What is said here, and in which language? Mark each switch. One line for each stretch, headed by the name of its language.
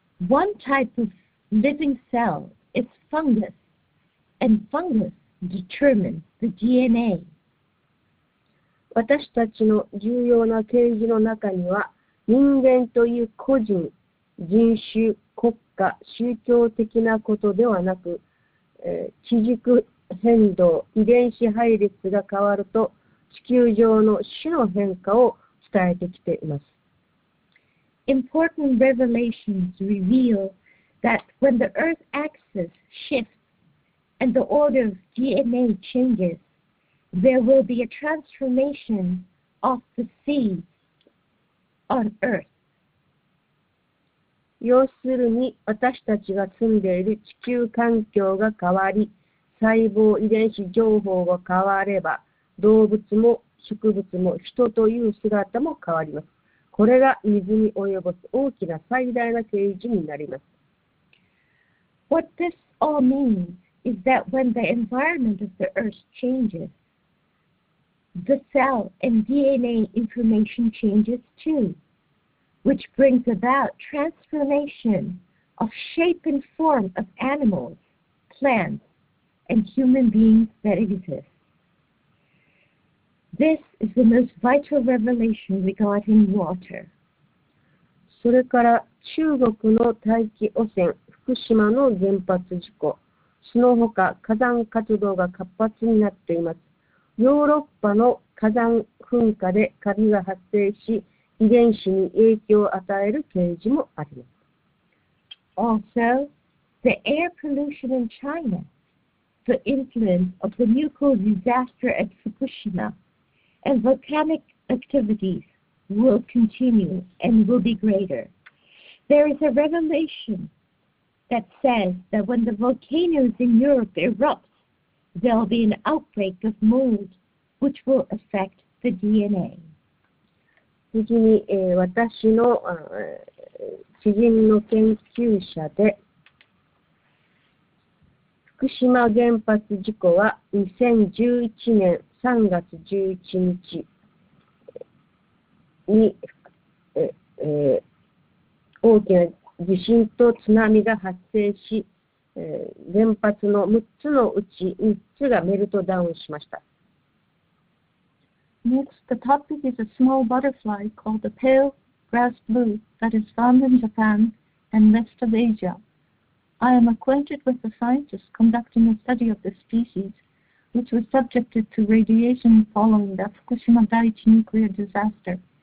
English: One type of living cell is fungus, and fungus determines the DNA.
Japanese: 私たちの重要な啓示の中には、人間という個人、人種、国家、宗教的なことではなく、地軸変動、遺伝子配列が変わると地球上の種の変化を伝えてきています。
English: Important revelations reveal that when the Earth axis shifts and the order of DNA changes, there will be a transformation of the seeds on Earth.
Japanese: 要するに私たちが住んでいる地球環境が変わり、細胞遺伝子情報が変われば、動物も植物も人という姿も変わります。これが水に及ぼす大きな最大な啓示になります。
English: What this all means is that when the environment of the earth changes, the cell and DNA information changes too. Which brings about transformation of shape and form of animals, plants, and human beings that exist. This is the most vital revelation regarding water.
Japanese: それから中国の大気汚染、福島の原発事故、その他火山活動が活発になっています。ヨーロッパの火山噴火でカビが発生し、遺伝子に影響を与える啓示もあります。
English: Also, the air pollution in China, the influence of the nuclear disaster at Fukushima, and volcanic activities will continue and will be greater. There is a revelation that says that when the volcanoes in Europe erupt, there will be an outbreak of mold which will affect the DNA.
Japanese: 次に、私の知人の研究者で、福島原発事故は2011年3月11日に、大きな地震と津波が発生し、原発の6つのうち3つがメルトダウンしました。
English: Next, the topic is a small butterfly called the pale grass blue that is found in Japan and west of Asia. I am acquainted with the scientists conducting a study of the species, which was subjected to radiation following the Fukushima Daiichi nuclear disaster.